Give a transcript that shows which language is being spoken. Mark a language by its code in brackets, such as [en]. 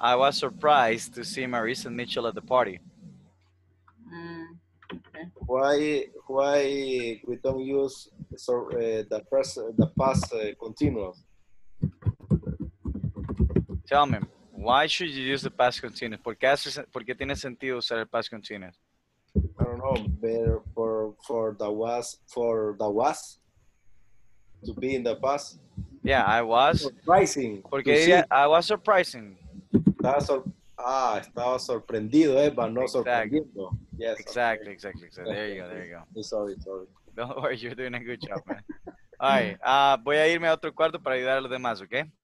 [en] I was surprised to see Marisa Mitchell at the party. Okay. Why we don't use the past continuous? Tell me, why should you use the past continuous? [es] ¿Por qué tiene sentido usar el past continuous? [en] I don't know. For the was to be in the past. Yeah, I was surprising. [es] Porque [en] I was surprising. [es] Estaba sorprendido, but no sorprendido. Yes. [en] Exactly. There you go. Sorry. Don't worry, you're doing a good job, man. All right. [es] Voy a irme a otro cuarto para ayudar a los demás, ¿okay?